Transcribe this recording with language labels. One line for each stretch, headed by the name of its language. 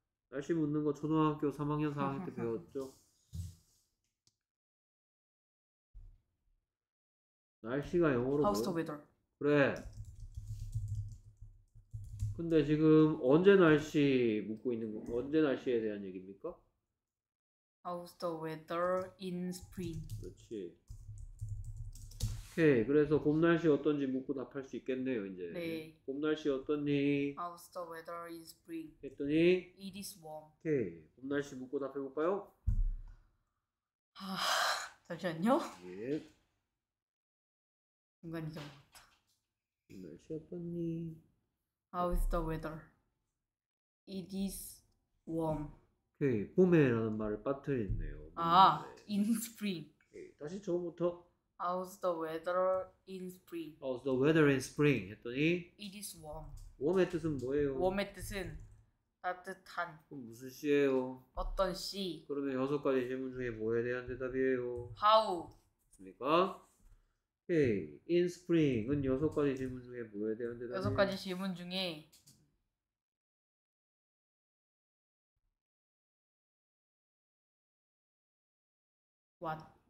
Korean: 날씨 묻는 거 초등학교 3학년 4학년 때 배웠죠? 날씨가 영어로
English: How's
Korean: 뭐요?
English: the weather?
Korean: 그래. 근데 지금 언제 날씨 묻고 있는 거, 언제 날씨에 대한 얘기입니까?
English: How's the weather in spring?
Korean: 그렇지. 오케이. 그래서 봄 날씨 어떤지 묻고 답할 수 있겠네요, 이제. 네. 봄 날씨 어떻니?
English: How's the weather in spring?
Korean: 했더니,
English: It is warm.
Korean: 오케이. 봄 날씨 묻고 답해볼까요? 잠시만요. 예. 중간이 좀 봄 날씨 어떻니? 왔다.
English: How is the weather? It is warm.
Korean: 오케이. 봄에라는 말을 빠뜨렸네요, 아, 문장에.
English: in spring.
Korean: 오케이. 다시 처음부터.
English: How's the weather in spring? How's the weather in spring?
Korean: 했더니
English: It is warm.
Korean: warm의 뜻은 뭐예요? Warm의 뜻은 따뜻한 그럼 무슨 시예요? 어떤 시 그러면 여섯 가지 질문 중에 뭐에 대한 대답이에요?
English: How
Korean: 맞습니까? 오케이. In spring은 여섯 가지 질문 중에 뭐에 대한 여섯 대답이에요? 가지 질문 중에
English: What?